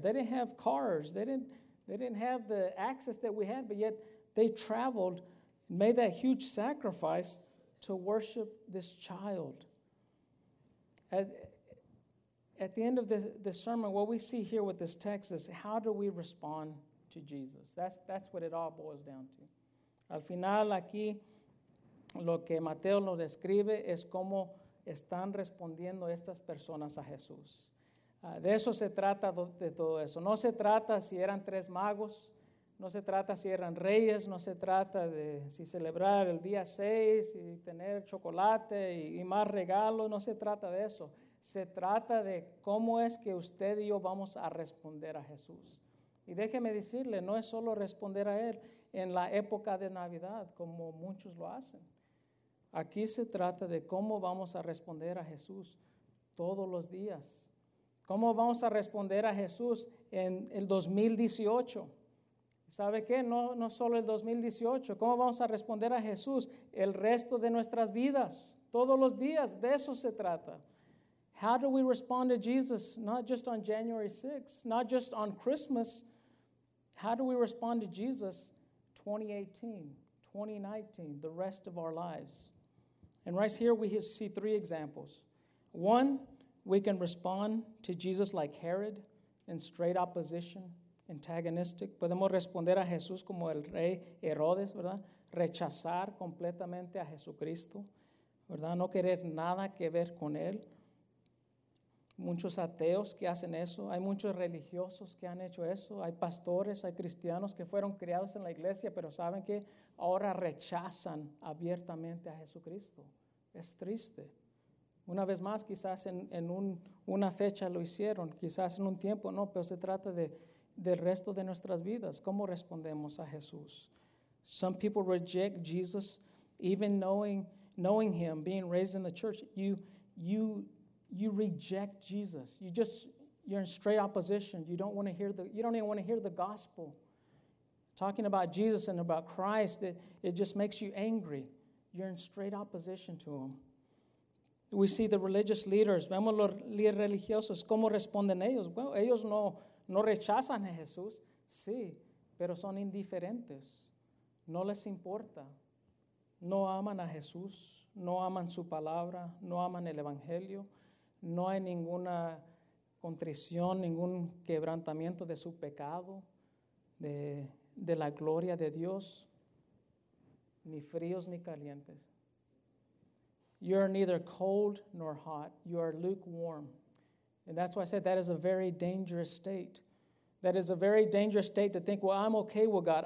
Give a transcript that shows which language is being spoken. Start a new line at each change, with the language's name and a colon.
English: They didn't have cars. They didn't have the access that we had, but yet they traveled, made that huge sacrifice to worship this child. At the end of this sermon, what we see here with this text is, how do we respond to Jesus? That's what it all boils down to.
Spanish: Al final aquí, lo que Mateo nos describe es cómo están respondiendo estas personas a Jesús. De eso se trata de todo eso. No se trata si eran tres magos, no se trata si eran reyes, no se trata de si celebrar el día 6 y tener chocolate y más regalos, no se trata de eso. Se trata de cómo es que usted y yo vamos a responder a Jesús. Y déjeme decirle, no es solo responder a Él en la época de Navidad, como muchos lo hacen. Aquí se trata de cómo vamos a responder a Jesús todos los días. ¿Cómo vamos a responder a Jesús en el 2018? ¿Sabe qué? No solo el 2018. ¿Cómo vamos a responder a Jesús el resto de nuestras vidas? Todos los días, de eso se trata.
English: How do we respond to Jesus, not just on January 6th, not just on Christmas? How do we respond to Jesus 2018, 2019, the rest of our lives? And right here we see three examples. One, we can respond to Jesus like Herod, in straight opposition, antagonistic.
Spanish: Podemos responder a Jesús como el rey Herodes, ¿verdad? Rechazar completamente a Jesucristo, ¿verdad? No querer nada que ver con él. Muchos ateos que hacen eso. Hay muchos religiosos que han hecho eso. Hay pastores, hay cristianos que fueron criados en la iglesia, pero saben que ahora rechazan abiertamente a Jesucristo. Es triste. Una vez más, quizás en una fecha lo hicieron, quizás en un tiempo, no, pero se trata del resto de nuestras vidas. ¿Cómo respondemos a Jesús?
English: Some people reject Jesus, even knowing him, being raised in the church. You reject Jesus. You're in straight opposition. You don't even want to hear the gospel. talking about Jesus and about Christ, it just makes you angry. You're in straight opposition to him. We see the religious leaders.
Spanish: Vemos los líderes religiosos. ¿Cómo responden ellos? Bueno, ellos no rechazan a Jesús. Sí, pero son indiferentes. No les importa. No aman a Jesús. No aman su palabra. No aman el Evangelio. No hay ninguna contrición, ningún quebrantamiento de su pecado, de la gloria de Dios, ni fríos ni calientes.
English: You are neither cold nor hot. You are lukewarm. And that's why I said that is a very dangerous state. That is a very dangerous state to think, well, I'm okay with God.